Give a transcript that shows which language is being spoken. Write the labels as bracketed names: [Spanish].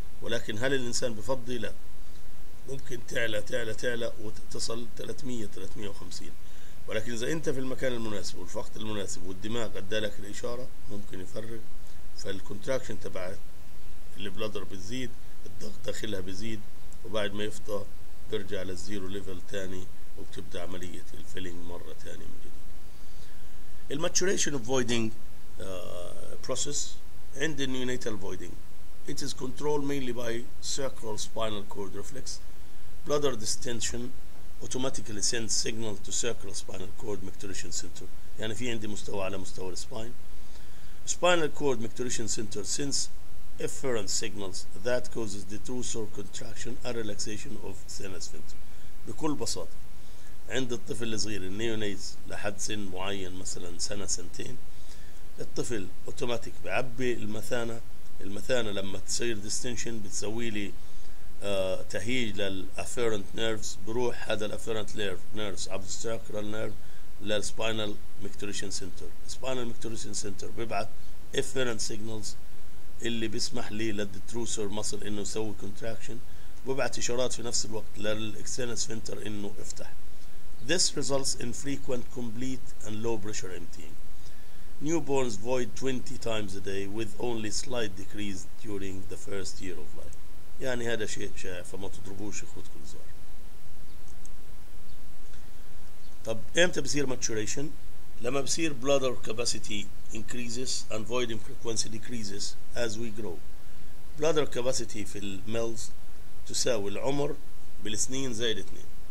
[Arabic] ولكن هل الإنسان بفضي؟ لا، ممكن تعلى تعلى تعلى وتصل 300-350، ولكن إذا أنت في المكان المناسب والوقت المناسب والدماغ أدى لك الإشارة ممكن يفرق، فالكونتراكشن تبع البلادر بتزيد، الضغط داخلها بيزيد، وبعد ما يفضى بيرجع للزيرو ليفل تاني وبتبدأ عملية الفيلينج مرة تانية من جديد. [English] الماتوريشن voiding process عند النيونيتال voiding, it is controlled mainly by sacral spinal cord reflex. Bladder distension automatically sends signal to sacral spinal cord micturition center. [Arabic] يعني في عندي مستوى على مستوى الاسباين. [English] Spinal cord micturition center sends efferent signals that causes detrusor contraction and relaxation of sinus sphincter. [Arabic] بكل بساطة عند الطفل الصغير النيونيز لحد سن معين مثلا سنة سنتين، الطفل اوتوماتيك بعبي المثانة. المثانة لما تصير distension بتسوي لي تهيج للأفيرنت نيرفز، بروح هذا الأفيرنت نيرفز عبر السيركرال نيرف للسبينال ميكتوريشن سنتر. السبينال ميكتوريشن سنتر ببعث أفيرنت سيجنالز اللي بيسمح لي للديتروسر مصل إنه يسوي كونتراكشن، ببعث إشارات في نفس الوقت للإكسترنال سفنتر إنه افتح. [English] This results in frequent complete and low pressure emptying. Newborns void 20 times a day with only slight decrease during the first year of life. [Arabic] يعني هذا شيء شائع فما تضربوش اخوتكم الصغار. طب امتى بصير ماتوريشن؟ لما بصير [English] bladder capacity increases and voiding frequency decreases as we grow. [Arabic] Bladder capacity في الميلز تساوي العمر بالسنين زائد 2.